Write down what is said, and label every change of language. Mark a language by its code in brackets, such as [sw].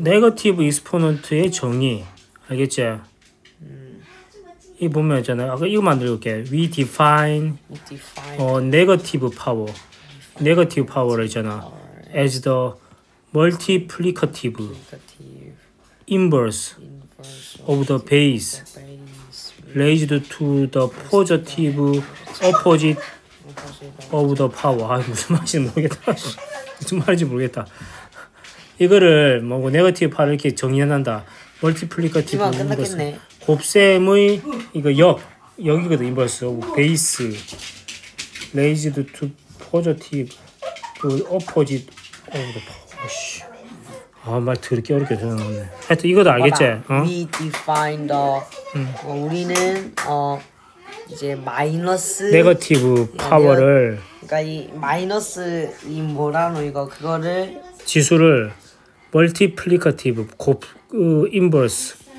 [ko] Negative exponent의 정의 알겠지? 이 보면 있잖아. 아까 이거 만들어볼게. We define negative power. Negative power를 있잖아. [en] As the multiplicative inverse of the base raised to the positive opposite of the power. [ko] 아 무슨 말인지 모르겠다. 무슨 말인지 모르겠다. 이거를 뭐 네거티브 파를 이렇게 정의한다. [en] Multiplicative inverse. [ko] 곱셈의 이거 역 역이거든. [en] Inverse of base raised to positive to opposite. [ko] 아우 말 더럽게 어렵게 전화하네. 하여튼 이것도 알겠지? 어? We define the 우리는 이제 마이너스 네거티브 파워를 그러니까 이 마이너스 이 뭐라노 이거 그거를 지수를 멀티플리커티브 곱 인버스